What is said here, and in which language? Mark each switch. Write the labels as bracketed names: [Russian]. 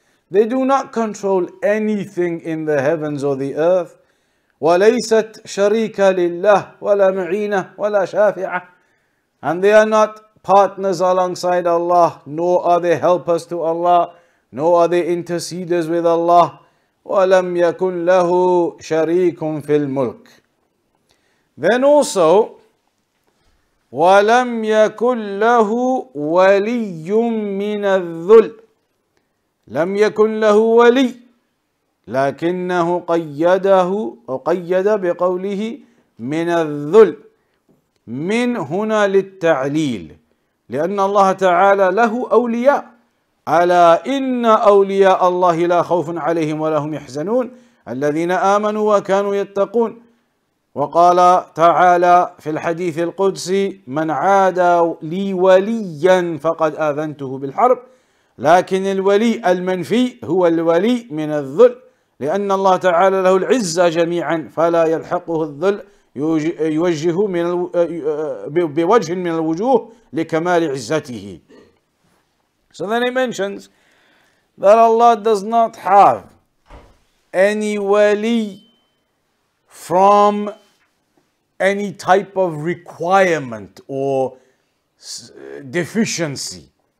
[English] They do not control anything in the heavens or the earth. [Arabic] وَلَيْسَتْ شَرِيكَ لِلَّهِ وَلَا مُعِينَةٌ وَلَا شَافِعَةٌ. [English] And they are not partners alongside Allah, nor are they helpers to Allah, nor are they interceders with Allah. [Arabic] وَلَمْ يَكُنْ لَهُ شَرِيكٌ فِي الْمُلْكِ. [English] Then also, [Arabic] وَلَمْ يَكُنْ لَهُ وَلِيٌّ مِّنَ الذُّلِّ. لَمْ يَكُنْ لَهُ وَلِيٌّ لَكِنَّهُ قَيَّدَهُ وَقَيَّدَ بِقَوْلِهِ مِّنَ الذُّلِّ. مِنْ هُنَا لِلتَّعْلِيلِ. لِأَنَّ اللَّهَ تَعَالَى لَهُ أَوْلِيَاءُ. ألا إن أولياء الله لا خوف عليهم ولا هم يحزنون الذين آمنوا وكانوا يتقون. وقال تعالى في الحديث القدسي من عادى لي وليا فقد آذنته بالحرب. لكن الولي المنفي هو الولي من الذل، لأن الله تعالى له العزة جميعا فلا يلحقه الذل يوجه من بوجه من الوجوه لكمال عزته. [English] So then he mentions that Allah does not have any wali from any type of requirement or deficiency.